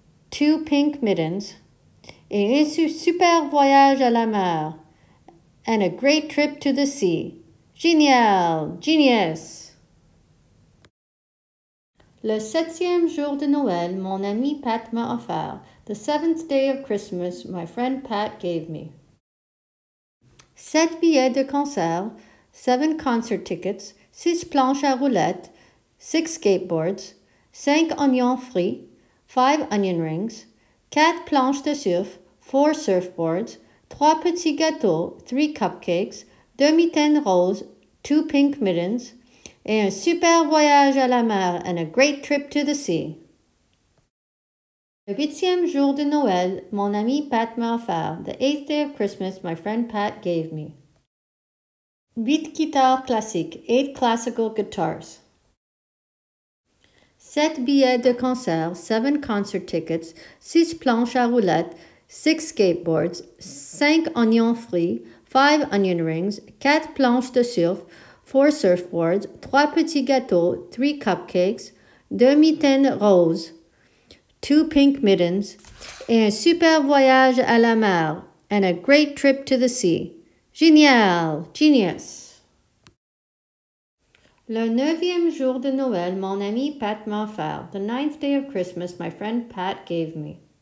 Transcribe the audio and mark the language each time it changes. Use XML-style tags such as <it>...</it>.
<en>two pink mittens,</en> <fr>et un super voyage à la mer,</fr> <en>and a great trip to the sea.</en> <fr>Génial!</fr> <en>Genius!</en> <fr>Le septième jour de Noël, mon ami Pat m'a offert.</fr> <en>The seventh day of Christmas, my friend Pat gave me.</en> <fr>Sept billets de concert,</fr> <en>seven concert tickets,</en> <fr>six planches à roulettes,</fr> <en>six skateboards,</en> <fr>cinq oignons frits,</fr> <en>five onion rings,</en> <fr>quatre planches de surf,</fr> <en>four surfboards,</en> <fr>trois petits gâteaux,</fr> <en>three cupcakes,</en> <fr>deux mitaines roses,</fr> <en>two pink mittens,</en> <fr>et un super voyage à la mer</fr> <en>and a great trip to the sea.</en> <fr>Le huitième jour de Noël, mon ami Pat m'a offert.</fr> <en>The eighth day of Christmas, my friend Pat gave me.</en> <fr>Huit guitares classiques,</fr> <en>eight classical guitars.</en> <fr>Sept billets de concert,</fr> <en>seven concert tickets,</en> <fr>six planches à roulettes,</fr> <en>six skateboards,</en> <fr>cinq oignons frits,</fr> <en>five onion rings,</en> <fr>quatre planches de surf,</fr> <en>four surfboards,</en> <fr>trois petits gâteaux,</fr> <en>three cupcakes,</en> <fr>deux mitaines roses,</fr> <en>two pink mittens,</en> <fr>et un super voyage à la mer,</fr> <en>and a great trip to the sea.</en> <fr>Génial!</fr> <en>Genius!</en> <fr>Le neuvième jour de Noël, mon ami Pat m'a offert.</fr> <en>The ninth day of Christmas, my friend Pat gave me.</en>